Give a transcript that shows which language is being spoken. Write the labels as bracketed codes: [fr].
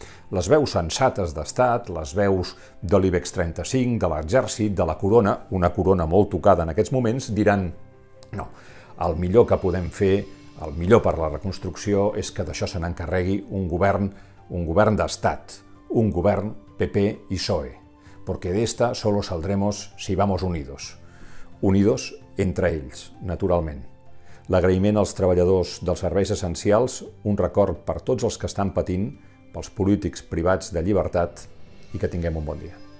[ca] les veus sensates d'Estat, les veus de l'IBEX 35, de l'exèrcit, de la corona, una corona molt tocada en aquests moments, diran, no, el millor que podem fer, el millor per la reconstrucció, és que d'això se n'encarregui un govern d'Estat, un govern PP i PSOE. [es] porque de esta solo saldremos si vamos unidos. [ca] Unidos entre ells, naturalment. L'agraïment als treballadors dels serveis essencials, un record per tots els que estan patint, pels polítics privats de llibertat, i que tinguem un bon dia.